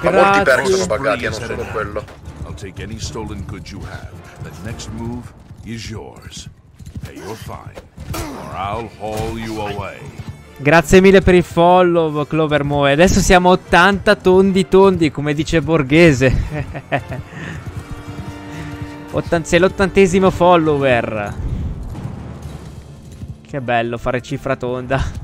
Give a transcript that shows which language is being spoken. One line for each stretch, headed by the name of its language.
Italian: Ma molti perk sono buggati, non solo quello.
English: I'll take any stolen goods you have. The next move is yours. Pay your fine, or I'll haul you away.
Italian: Grazie mille per il follow, Clover Moe. Adesso siamo 80 tondi tondi, come dice Borghese. Sei l'ottantesimo follower. Che bello fare cifra tonda.